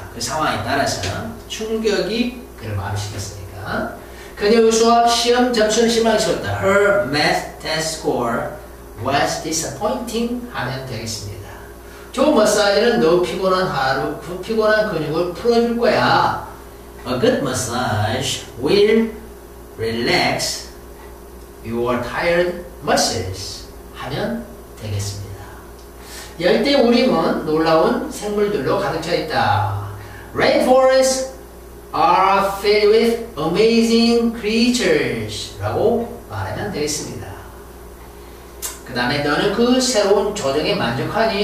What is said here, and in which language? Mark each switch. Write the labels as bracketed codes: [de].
[ko] 그 상황에 따라서 충격이 그를 마음시켰으니까. 그녀의 수학 시험 점수는 실망스럽다. [en] Her math test score was disappointing. [ko] 하면 되겠습니다. 좋은 마사지는 너 피곤한 하루, 그 피곤한 근육을 풀어줄 거야. [en] A good massage will relax your tired muscles. [ko] 하면 되겠습니다. 열대 우림은 놀라운 생물들로 가득 차 있다. [en] Rainforests are filled with amazing creatures. [ko] 라고 말하면 되겠습니다. 그 다음에 너는 그 새로운 조정에 만족하니?